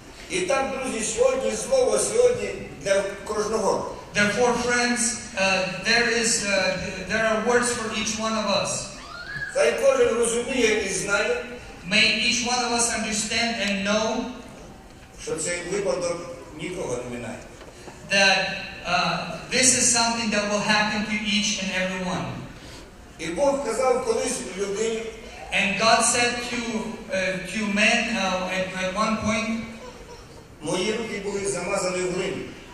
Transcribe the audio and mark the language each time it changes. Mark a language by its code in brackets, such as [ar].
[uk] І так, друзі, сьогодні слово сьогодні для кожного. [en] Therefore, friends, there are words for each one of us. [uk] Хай кожен розуміє і знає. [en] May each one of us understand and know. [uk] Що цей випадок нікого не минає. [en] That this is something that will happen to each and every one. [uk] І Бог казав колись людині. [en] And God said to men at one point. [uk] Мої руки були замазані глиною.